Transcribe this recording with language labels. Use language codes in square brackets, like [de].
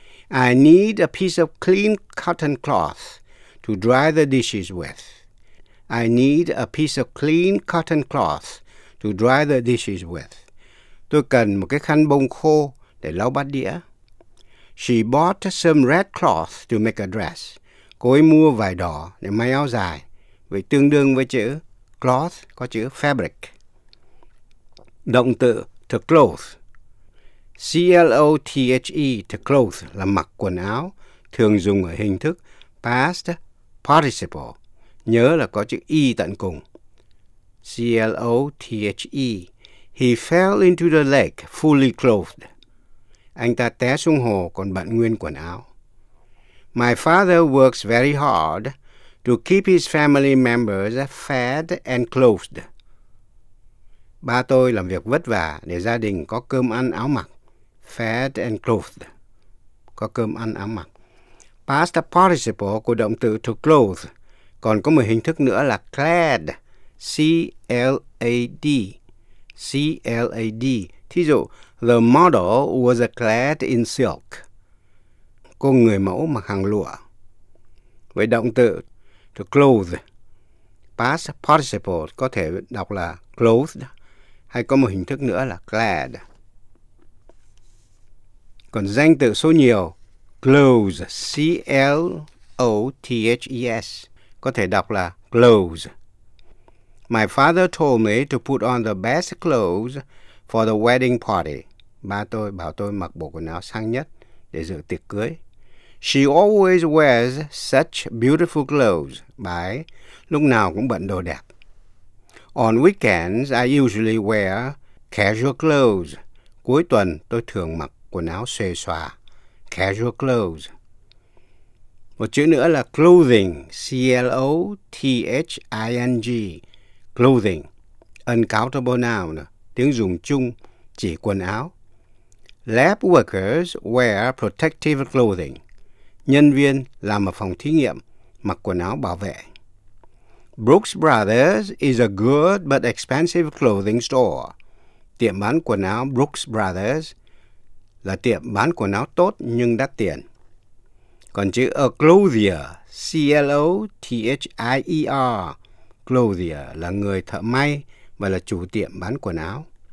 [en] I need a piece of clean cotton cloth to dry the dishes with. I need a piece of clean cotton cloth to dry the dishes with. [vi] Tôi cần một cái khăn bông khô để lau bát đĩa. [en] She bought some red cloth to make a dress. [vi] Cô ấy mua vải đỏ để may áo dài. Vậy tương đương với chữ cloth có chữ fabric. Động từ to clothe, C-L-O-T-H-E, to clothe, là mặc quần áo, thường dùng ở hình thức past participle. Nhớ là có chữ E tận cùng. [en] C-L-O-T-H-E, he fell into the lake fully clothed. [vi] Anh ta té xuống hồ còn bận nguyên quần áo. [en] My father works very hard to keep his family members fed and clothed. [vi] Ba tôi làm việc vất vả để gia đình có cơm ăn áo mặc. [en] Fed and clothed. [vi] Có cơm ăn áo mặc. Past participle của động từ to clothe. Còn có một hình thức nữa là clad. [en] C-L-A-D. C-L-A-D. [vi] Thí dụ, [en] the model was clad in silk. [vi] Cô người mẫu mặc hàng lụa. Với động từ to clothe. Past participle có thể đọc là clothed. Hay có một hình thức nữa là clad. Còn danh từ số nhiều, clothes, C-L-O-T-H-E-S, có thể đọc là clothes. [en] My father told me to put on the best clothes for the wedding party. [vi] Ba tôi bảo tôi mặc bộ quần áo sang nhất để dự tiệc cưới. [en] She always wears such beautiful clothes. [vi] Bà ấy lúc nào cũng bận đồ đẹp. [en] On weekends, I usually wear casual clothes. [vi] Cuối tuần, tôi thường mặc quần áo xuề xòa. Casual clothes. Một chữ nữa là clothing, C-L-O-T-H-I-N-G, clothing, uncountable noun, tiếng dùng chung, chỉ quần áo. [en] Lab workers wear protective clothing. [vi] Nhân viên làm ở phòng thí nghiệm mặc quần áo bảo vệ. [en] Brooks Brothers is a good but expensive clothing store. [vi] Tiệm bán quần áo Brooks Brothers là tiệm bán quần áo tốt nhưng đắt tiền. Còn chữ a clothier, C-L-O-T-H-I-E-R, clothier là người thợ may và là chủ tiệm bán quần áo.